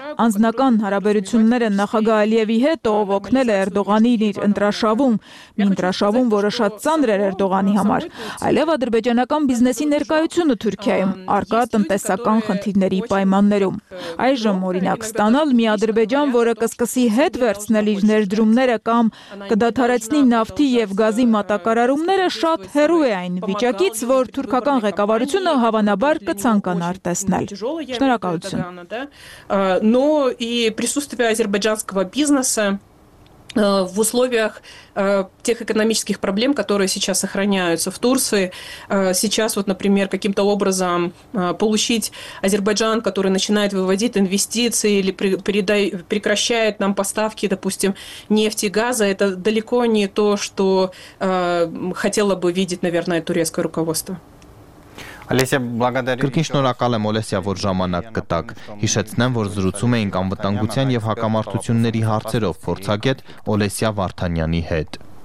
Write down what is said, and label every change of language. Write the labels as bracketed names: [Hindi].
[Armenian] անձնական հարաբերությունները նախագահ Ալիևի հետ, ով օգնել է Էրդողանին իր ընտրաշավում, մի ընտրաշավում, որը շատ ծանր էր Էրդողանի համար, այլև ադրբեջանական բիզնեսի ներկայությունը Թուրքիայում արկա տնտեսական խնդիրների պայմաններում։ Այժմ, օրինակ, ստանալ մի Ադրբեջան, որը կսկսի հետ վերցնել իր ներդրումները կամ կդադարեցնի նավթի և գազի մատակարարումները, շատ հեռու է այն վիճակից, որ թուրքական ղեկավարությունը հավանաբար կցանկանար տեսնել։ Շնորհակալություն։ [Russian] Но и присутствие азербайджанского бизнеса в условиях тех экономических проблем, которые сейчас сохраняются в Турции, сейчас вот, например, каким-то образом получить Азербайджан, который начинает выводить инвестиции или прекращает нам поставки, допустим, нефти, газа, это далеко не то, что хотело бы видеть, наверное, турецкое руководство. [Armenian] Կրկին շնորհակալ եմ, Օլեսյա, որ ժամանակ կտաք։ Հիշեցնեմ, որ զրուցում էինք անվտանգության և հակամարտությունների հարցերով փորձագետ Օլեսյա Վարդանյանի հետ։